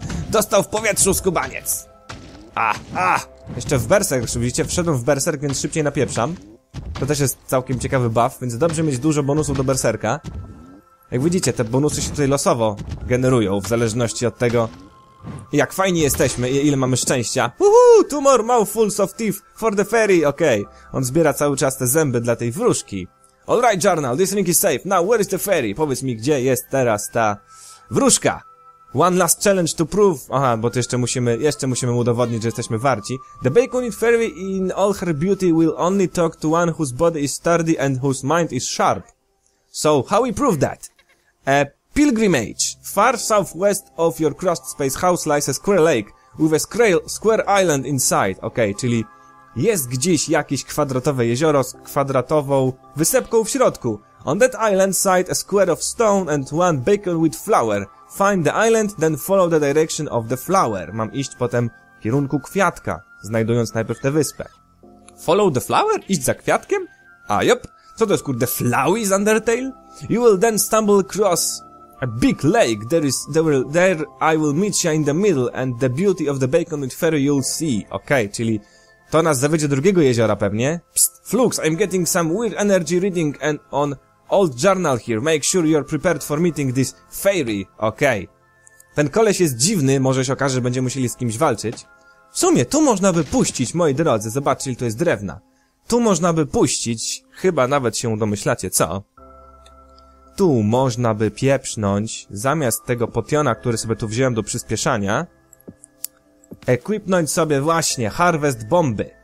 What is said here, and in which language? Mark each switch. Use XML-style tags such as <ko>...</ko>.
<pl>Dostał w powietrzu skubaniec! Jeszcze w berserk, widzicie? Wszedłem w berserk, więc szybciej napieprzam. To też jest całkiem ciekawy buff, więc dobrze mieć dużo bonusów do berserka. Jak widzicie, te bonusy się tutaj losowo generują, w zależności od tego, jak fajni jesteśmy i ile mamy szczęścia. Woohoo!</pl> <en>Two more mouthfuls of teeth for the fairy!</en> <pl>Okej, on zbiera cały czas te zęby dla tej wróżki.</pl> <en>Alright, journal, this ring is safe. Now, where is the fairy?</en> <pl>Powiedz mi, gdzie jest teraz ta wróżka?</pl> <en>One last challenge to prove...</en> <pl>Aha, bo to jeszcze musimy udowodnić, że jesteśmy warci.</pl> <en>The bacon wheat fairy in all her beauty will only talk to one whose body is sturdy and whose mind is sharp. So, how we prove that? A pilgrimage. Far southwest of your crossed space house lies a square lake with a square island inside.</en> <pl>Okej, czyli jest gdzieś jakieś kwadratowe jezioro z kwadratową wysepką w środku.</pl> <en>On that island side a square of stone and one bacon wheat flower. Find the island, then follow the direction of the flower.</en> <pl>Mam iść potem w kierunku kwiatka, znajdując najpierw tę wyspę.</pl> <en>Follow the flower?</en> <pl>Iść za kwiatkiem? A, jop. Co to jest, kurde, flowy z Undertale?</pl> <en>You will then stumble across A big lake, there I will meet you in the middle and the beauty of the bacon with fairy you'll see.</en> <pl>Okej, okay, czyli to nas zawiedzie do drugiego jeziora pewnie.</pl> <en>Psst, Flux, I'm getting some weird energy reading and on old journal here. Make sure you're prepared for meeting this fairy. Okej. Okay.</en> <pl>Ten koleś jest dziwny, może się okaże, że będziemy musieli z kimś walczyć. W sumie, tu można by puścić, moi drodzy, zobaczcie, to jest drewna. Tu można by puścić, chyba nawet się domyślacie, co? Tu można by pieprznąć, zamiast tego potiona, który sobie tu wziąłem do przyspieszania, equipnąć sobie właśnie harvest bomby.</pl>